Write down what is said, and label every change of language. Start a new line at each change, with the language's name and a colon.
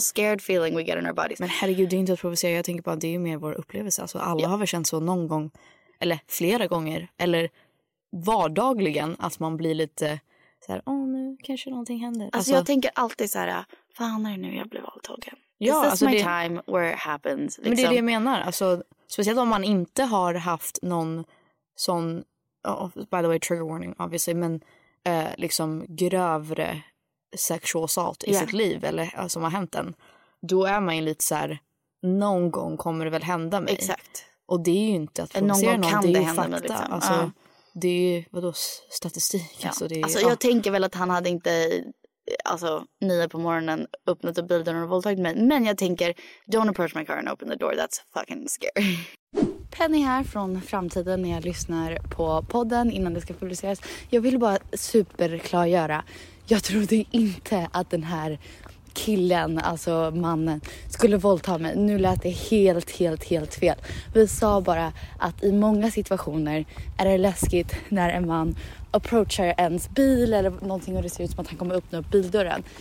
English: scared feeling we get in our bodies.
Swedish: Men herregud, det är inte att provocera. Jag tänker bara att det är mer vår upplevelse. Alltså, alla har väl känt så någon gång, eller flera gånger, eller vardagligen, att man blir lite så här, nu kanske någonting händer. Alltså jag tänker alltid så här, fan är det nu jag blev våldtagen?
English: Ja, this is my time where it happens.
Swedish: Liksom. Men det är det jag menar. Alltså, speciellt om man inte har haft någon sån,
English: by the way, trigger warning obviously,
Swedish: men liksom grövre
English: sexual assault
Swedish: i sitt liv eller som alltså, har hänt en. Då är man ju lite så här, någon gång kommer det väl hända mig. Exakt. Och det är ju inte att någon gång någon, kan det hända fakta, mig liksom. Alltså, det är ju, vadå, statistik. Ja. Alltså, det är, alltså jag tänker väl att han hade inte, alltså, 9 på morgonen öppnat upp bilden och våldtagit mig. Men jag tänker,
English: don't approach my car and open the door, that's fucking scary.
Swedish: Penny här från framtiden när jag lyssnar på podden innan det ska publiceras. Jag vill bara superklargöra, jag trodde inte att den här killen, alltså mannen, skulle våldta mig. Nu lät det helt fel. Vi sa bara att i många situationer är det läskigt när en man approachar ens bil eller någonting och det ser ut som att han kommer öppna upp bildörren.